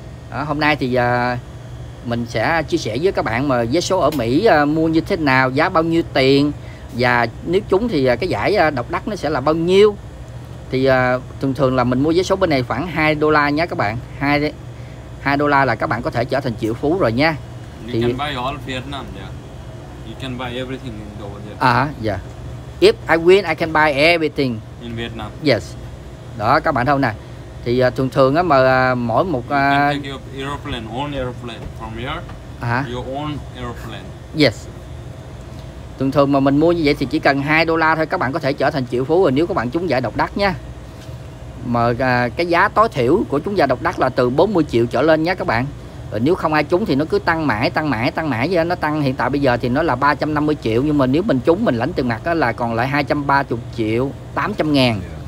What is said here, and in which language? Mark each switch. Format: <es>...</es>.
<vi>Đó, hôm nay thì mình sẽ chia sẻ với các bạn mà vé số ở Mỹ mua như thế nào, giá bao nhiêu tiền và nếu trúng thì cái giải độc đắc nó sẽ là bao nhiêu. Thì thường thường là mình mua vé số bên này khoảng $2 nhé các bạn. $2 là các bạn có thể trở thành triệu phú rồi nha. Thì...</vi> <en>You can buy all Vietnam, yeah. You can buy everything over there. If I win, I can buy everything. In Vietnam.</en> <vi>Yes. Đó, các bạn thấy không nè. Thì thường thường á, mà mỗi một...</vi> <en>You can take your aeroplane, own aeroplane from here. Uh-huh. Your own aeroplane. Yes.</en> <vi>Thường thường mà mình mua như vậy thì chỉ cần $2 thôi, các bạn có thể trở thành triệu phú rồi nếu các bạn trúng giải độc đắc nha. Mà cái giá tối thiểu của trúng giải độc đắc là từ 40 triệu trở lên nha các bạn. Nếu không ai trúng thì nó cứ tăng mãi vậy. Nó tăng hiện tại bây giờ thì nó là 350 triệu, nhưng mà nếu mình trúng mình lãnh tiền mặt đó là còn lại 230 triệu 800 ngàn.</vi>